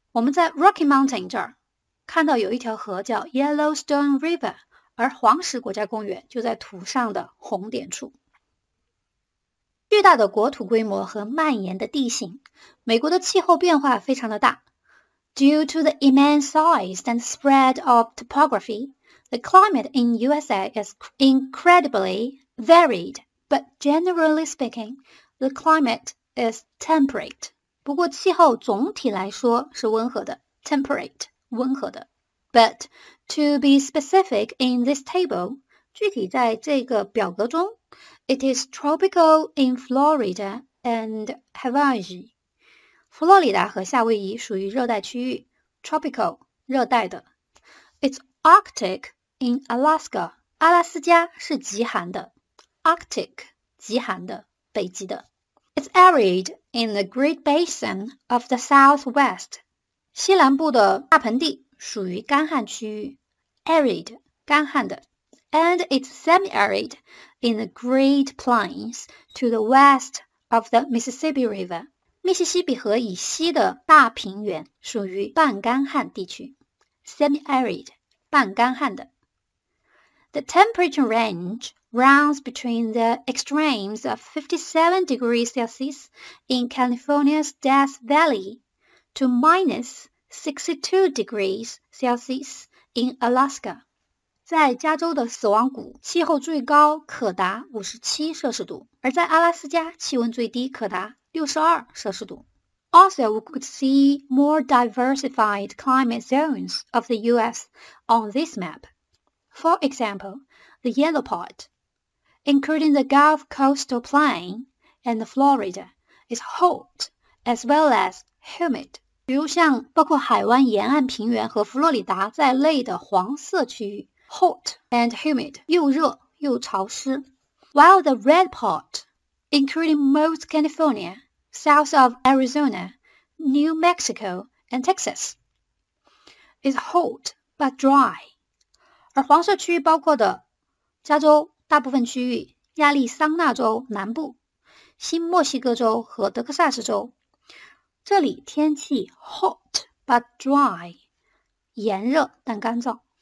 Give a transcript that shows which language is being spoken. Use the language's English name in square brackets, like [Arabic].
[Chinese] 我们在 Rocky Mountain 这儿看到有一条河叫 Yellowstone River， 而黄石国家公园就在图上的红点处。巨大的国土规模和蔓延的地形，美国的气候变化非常的大。 [English] Due to the immense size and spread of topography, the climate in USA is incredibly varied, but generally speaking, the climate is temperate. [Chinese] 不过气候总体来说是温和的 ,temperate, 温和的。 [English] But to be specific in this table, [Chinese] 具体在这个表格中， [English] It is tropical in Florida and Hawaii. [Chinese] 佛罗里达和夏威夷属于热带区域 ,tropical, 热带的。 [English] It's arctic in Alaska. [Chinese] 阿拉斯加是极寒的 ,arctic, 极寒的北极的。 [English] It's arid in the Great Basin of the Southwest. [Chinese] 西南部的大盆地属于干旱区域 ,arid, 干旱的。 [English] And it's semi-arid in the Great Plains to the west of the Mississippi River. [Chinese] 密西西比河以西的大平原属于半干旱地区。 [English] Semi-arid, [Chinese] 半干旱的。 [English] The temperature range runs between the extremes of 57 degrees Celsius in California's Death Valley to minus 62 degrees Celsius in Alaska. [Chinese] 在加州的死亡谷，气候最高可达57摄氏度，而在阿拉斯加，气温最低可达62摄氏度。 [English] Also, we could see more diversified climate zones of the U.S. on this map. For example, the yellow part, including the Gulf Coastal Plain and Florida, is hot as well as humid. [Chinese] 比如像包括海湾沿岸平原和佛罗里达在内的黄色区域 , [English] hot and humid, [Chinese] 又热又潮湿。 [English] While the red part, including most California, south of Arizona, New Mexico, and Texas, is hot but dry. [Chinese] 而黄色区域包括的加州大部分区域、亚利桑那州南部、新墨西哥州和德克萨斯州，这里天气 [English] hot but dry, [Chinese] 炎热但干燥。